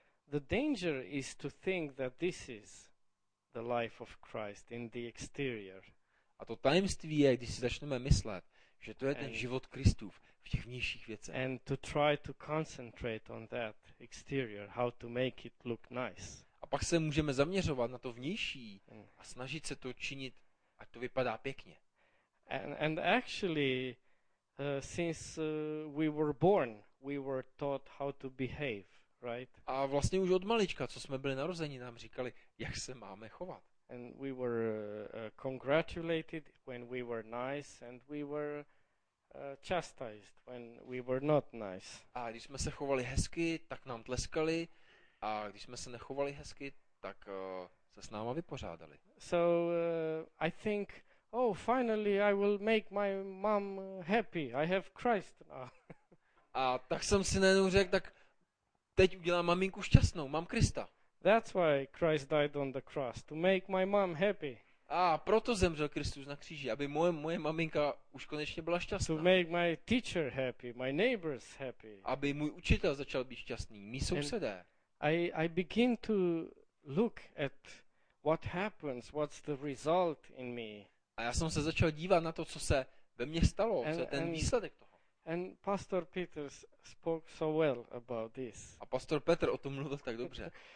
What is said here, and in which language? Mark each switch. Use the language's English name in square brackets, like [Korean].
[English] The danger is to think that this is the life of Christ in the exterior. [Czech] A to tajemství je, když si začneme myslet, že to je ten život Kristův v těch vnějších věcech. [English] And to try to concentrate on that exterior, how to make it look nice. [Czech] A pak se můžeme zaměřovat na to vnější a snažit se to činit, ať to vypadá pěkně. [English] And actually since we were born, we were taught how to behave. Right? [Czech] A vlastně už od malička, co jsme byli narozeni, nám říkali, jak se máme chovat. [English] And we were congratulated when we were nice and we were chastised when we were not nice. [Czech] A když jsme se chovali hezky, tak nám tleskali a když jsme se nechovali hezky, tak se s náma vypořádali. [English] So I think, oh, finally I will make my mom happy. I have Christ now. [Czech] A tak jsem si najednou řekl, tak teď udělám maminku šťastnou, mám Krista. [English] That's why Christ died on the cross, to make my mom happy. [Czech] A proto zemřel Kristus na kříži, aby moje maminka už konečně byla šťastná. [English] To make my teacher happy, my neighbors happy. [Czech] Aby můj učitel začal být šťastný, mý sousedé. [English] I begin to look at what happens, what's the result in me. [Czech] A já jsem se začal dívat na to, co se ve mně stalo, co je ten výsledek toho. [English] And Pastor Peter spoke so well about this. [Czech] A Pastor Petr o tom mluvil tak dobře.